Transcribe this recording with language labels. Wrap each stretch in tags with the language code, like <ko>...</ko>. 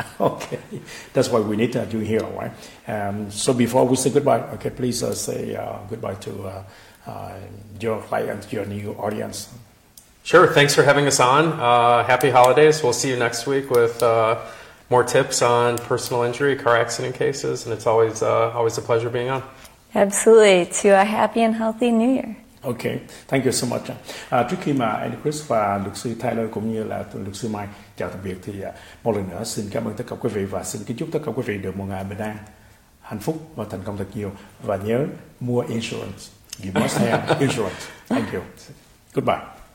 <en>Okay, that's why we need to do here, right? So before we say goodbye, okay, please say goodbye to your clients, your new audience. Sure. Thanks for having us on. Happy holidays. We'll see you next week with more tips on personal injury, car accident cases. And it's always always a pleasure being on. Absolutely. To a happy and healthy new year. Okay. Thank you so much.</en> <vi>Trước khi mà Agruss và luật sư Tyler cũng như là luật sư Mai chào tạm biệt thì một lần nữa xin cảm ơn tất cả quý vị và xin kính chúc tất cả quý vị được một ngày bình an, hạnh phúc và thành công thật nhiều. Và nhớ mua</vi> <en>insurance. You must have insurance. Thank you. Goodbye.</en>